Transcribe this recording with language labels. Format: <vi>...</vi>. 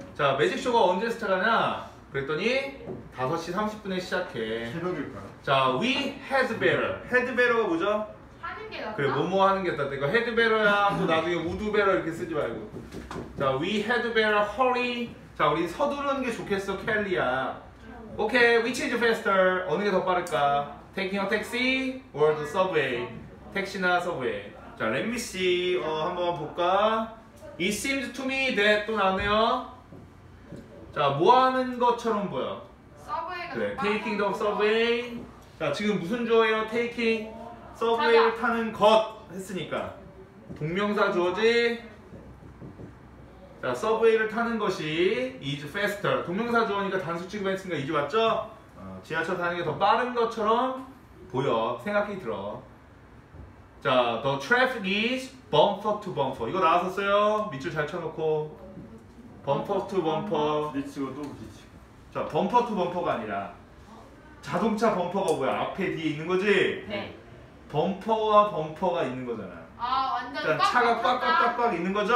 <ko>자, 매직 쇼가 언제 시작하냐? 그랬더니 5시 30분에 시작해. 새벽일까요? 자,</ko> <en>we has better.</en> <ko>헤드베러가 뭐죠? 그래, 뭐뭐 하는 게 낫다. 이거 헤드베러야. 또 나중에 우드베러 이렇게 쓰지 말고.</ko> <en>자, we had better hurry.</en> <ko>자, 우리 서두르는 게 좋겠어, 켈리야.</ko> <en>Okay, which is faster?</en> <ko>어느 게 더 빠를까?</ko> <en>Taking a taxi or the subway?</en> <ko>택시나 서브웨이. 자,</ko> <en>let me see.</en> <ko>한번 볼까?</ko> <en>It seems to me that</en> <ko>또 나왔네요. 자, 뭐 하는 것처럼 보여? 서브웨이가</ko> <en>그래, taking the subway.</en> <ko>자, 지금 무슨 조예요? Taking. 서브웨이를 차가. 타는 것 했으니까 동명사 주어지. 자, 서브웨이를 타는 것이</ko> <en>is faster.</en> <ko>동명사 주어니까 단수 취급했으니까 이제 맞죠? 지하철 타는 게 더 빠른 것처럼 보여. 생각이 들어.</ko> <en>자, the traffic is bumper to bumper.</en> <ko>이거 나왔었어요. 밑줄 잘 쳐놓고 bumper to bumper. 뒤치고 또 뒤치고. 자, bumper to bumper가 아니라 자동차 범퍼가 뭐야? 앞에 뒤에 있는 거지? 네. 범퍼와 범퍼가 있는 거잖아. 아, 완전 그러니까 차가 꽉꽉꽉꽉 있는 거죠?</ko>